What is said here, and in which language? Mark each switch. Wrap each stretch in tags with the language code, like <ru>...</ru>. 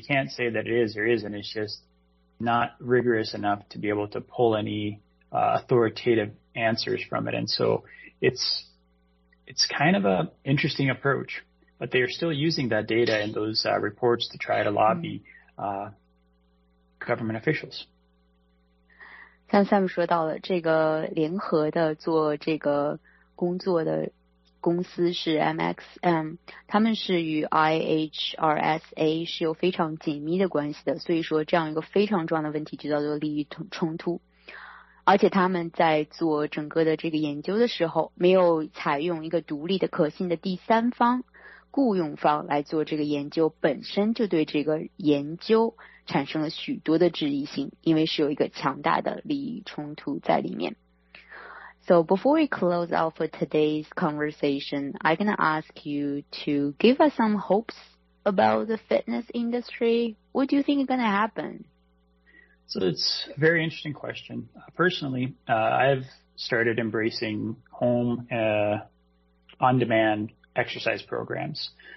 <en>You can't say that it is or isn't. It's just not rigorous enough to be able to pull any authoritative answers from it. And so it's kind of a interesting approach, but they are still using that data and those reports to try to lobby government officials.</en> <zh>像 Sam 说到了，这个联合的做这个工作的公司是 MXM， 他们是与 IHRSA 是有非常紧密的关系的，所以说这样一个非常重要的问题就叫做利益冲突。而且他们在做整个的这个研究的时候，没有采用一个独立的可信的第三方雇佣方来做这个研究，本身就对这个研究产生了许多的质疑性，因为是有一个强大的利益冲突在里面。</zh> <en>So before we close out for today's conversation, I'm going to ask you to give us some hopes about the fitness industry. What do you think is going to happen? So it's a very interesting question. Personally, I've started embracing home on-demand exercise programs.</en>